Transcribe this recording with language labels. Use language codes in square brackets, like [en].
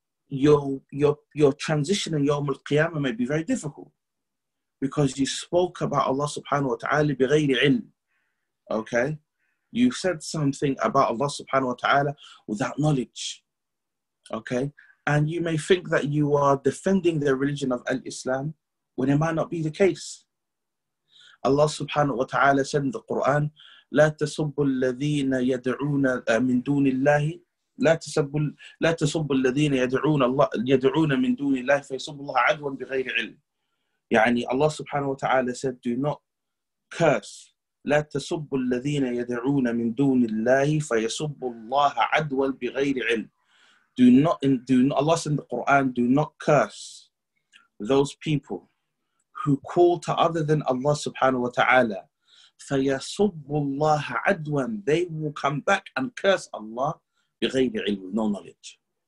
[en] your transition in Yawm al-Qiyamah may be very difficult, because you spoke about Allah subhanahu wa ta'ala bighayri ilm, okay? You said something about Allah subhanahu wa ta'ala without knowledge, okay? And you may think that you are defending the religion of Al-Islam when it might not be the case. Allah subhanahu wa ta'ala said in the Quran, [ar] لا تسبوا الذين يدعون من دون الله لا تسبوا الذين يدعون من دون الله فيسبوا الله عدوا بغير علم. يعني الله سبحانه وتعالى [en] said, do not curse. [ar] لا تسبوا الذين يدعون من دون الله فيسبوا الله عدوا بغير علم. [en] Do not, Allah said in the Quran, do not curse those people who call to other than Allah subhanahu wa ta'ala. [ar] فَيَصُبُّ اللَّهَ عَدْوًا. [en] They will come back and curse Allah [ar] بِغَيْرِ عِلْمٍ, [en] with no knowledge.